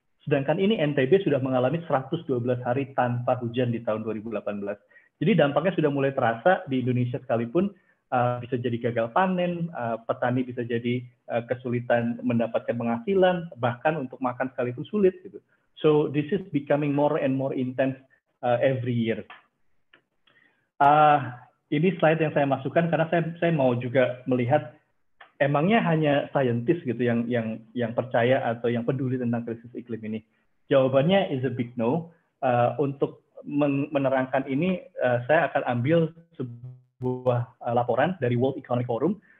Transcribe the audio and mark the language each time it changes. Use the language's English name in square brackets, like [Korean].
[Indonesian] Sedangkan ini NTB sudah mengalami 112 hari tanpa hujan di tahun 2018. Jadi dampaknya sudah mulai terasa di Indonesia sekalipun, bisa jadi gagal panen, petani bisa jadi kesulitan mendapatkan penghasilan, bahkan untuk makan sekalipun sulit gitu. [English] So this is becoming more and more intense every year. [Indonesian] Ini slide yang saya masukkan karena saya mau juga melihat emangnya hanya scientist gitu yang percaya atau yang peduli tentang krisis iklim ini. Jawabannya [English] is a big no. [Indonesian] Untuk menerangkan ini saya akan ambil sebuah laporan dari World Economic Forum.